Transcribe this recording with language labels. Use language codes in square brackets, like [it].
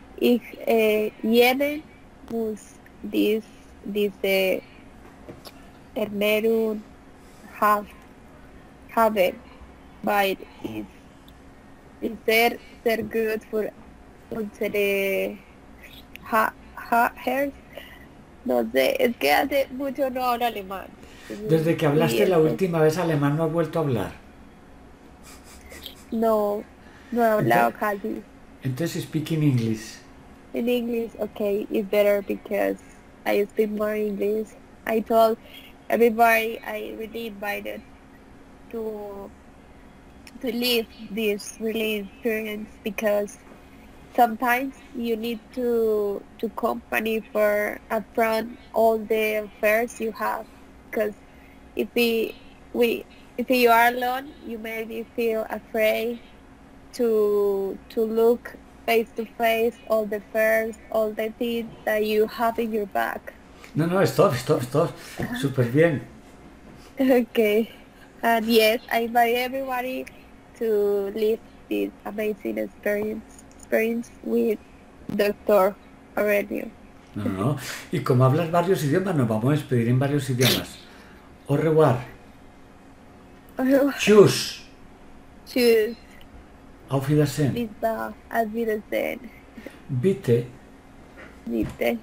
[de] Ich jene muss diese Ernährung haben, weil es sehr, sehr gut für unsere Herz. [es] No sé, es que hace mucho no hablo alemán. Desde que hablaste la última vez alemán no has vuelto a hablar. No he hablado casi. Entonces, [en] speak in English. In English, okay, it's better because I speak more English. I told everybody I really invited to leave this really experience, because sometimes you need to company for upfront all the affairs you have, because if you are alone, you maybe feel afraid to look face to face all the affairs, all the things that you have in your back. [es] No, stop. Super bien. [en] Okay. And yes, I invite everybody to live this amazing experience with Dr. Aurelio. [es] No. Y como hablas varios idiomas, nos vamos a despedir en varios idiomas. [fr] Au revoir. Au revoir. [de] Tschüss. Tschüss. Auf Wiedersehen. Auf Wiedersehen. Bitte. Bitte.